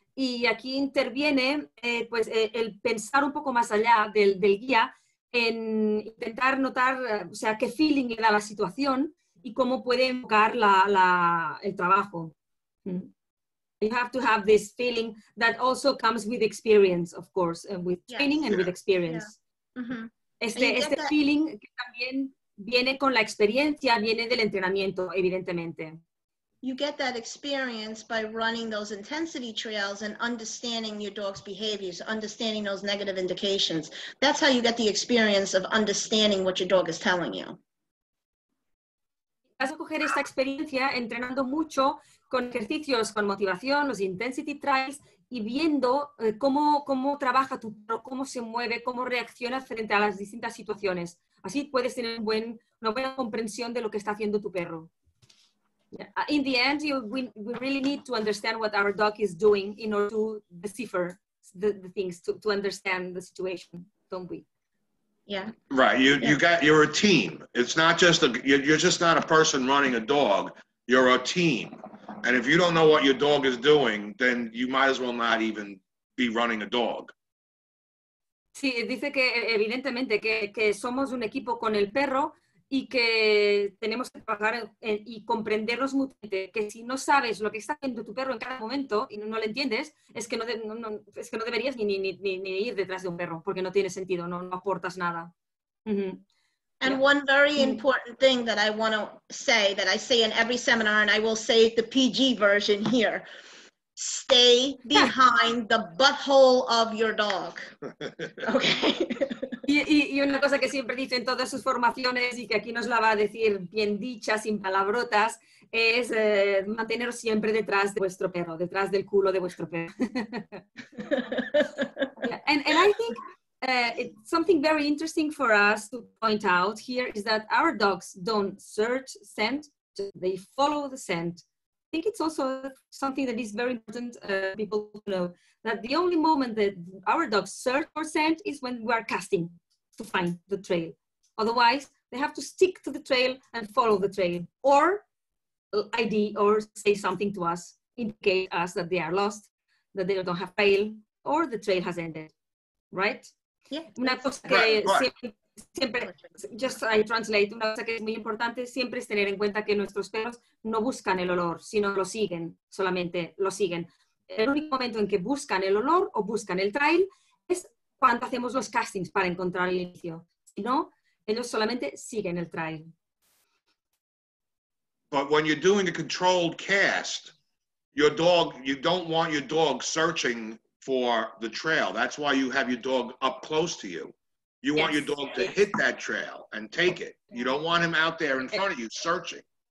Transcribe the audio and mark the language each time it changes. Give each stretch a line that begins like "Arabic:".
Spanish: Y aquí interviene el pensar un poco más allá del guía en intentar notar, o sea, qué feeling le da la situación y cómo puede enfocar el trabajo.
English: You have to have this feeling that also comes with experience, of course, with training. Yes. And with experience. Yeah. Mm-hmm.
Spanish: Este feeling que también viene con la experiencia, viene del entrenamiento, evidentemente.
English: You get that experience by running those intensity trails and understanding your dog's behaviors, understanding those negative indications. That's how you get the experience of understanding what your dog is telling you.
Spanish: Vas a coger esta experiencia entrenando mucho con ejercicios, con motivación, los intensity trials, y viendo cómo trabaja tu perro, cómo se mueve, cómo reacciona frente a las distintas situaciones. Así puedes tener una buena comprensión de lo que está haciendo tu perro.
English: Yeah. In the end, we really need to understand what our dog is doing in order to decipher the things, to understand the situation, don't we? Yeah. Right. You're a team. It's not just you're just not a person running a dog. You're a team. And if you don't know what your dog is doing, then you might as well not even be running a dog.
Spanish: Sí, dice que evidentemente que somos un equipo con el perro y que tenemos que trabajar y comprenderlos mutuamente. Que si no sabes lo que está haciendo tu perro en cada momento y no lo entiendes, es que no deberías ni ir detrás de un perro, porque no tiene sentido, no aportas nada. Mm-hmm.
English: And yeah. One very important thing that I want to say, that I say in every seminar, and I will say the PG version here, stay behind the butthole of your dog. Okay.
Spanish: Y una cosa que siempre dice en todas sus formaciones y que aquí nos la va a decir bien dicha, sin palabrotas, es mantener siempre detrás de vuestro perro, detrás del culo de vuestro perro.
English: Yeah. And I think something very interesting for us to point out here is that our dogs don't search scent, they follow the scent. I think it's also something that is very important people to know, that the only moment that our dogs search for scent is when we are casting to find the trail. Otherwise, they have to stick to the trail and follow the trail, or ID or say something to us, indicate us that they are lost, that they don't have trail, or the trail has ended, right? Yeah.
Spanish: Una cosa que siempre,
English: just I translate,
Spanish: una cosa que es muy importante siempre es tener en cuenta que nuestros perros no buscan el olor, sino lo siguen, solamente lo siguen. El único momento en que buscan el olor o buscan el trail es cuando hacemos los castings para encontrar el inicio. Si no, ellos solamente siguen el trail.
English: But when you're doing a controlled cast, your dog, you don't want your dog searching for the trail. That's why you have your dog up close to you. You want your dog to hit that trail and take it. You don't want him out there in front of you searching.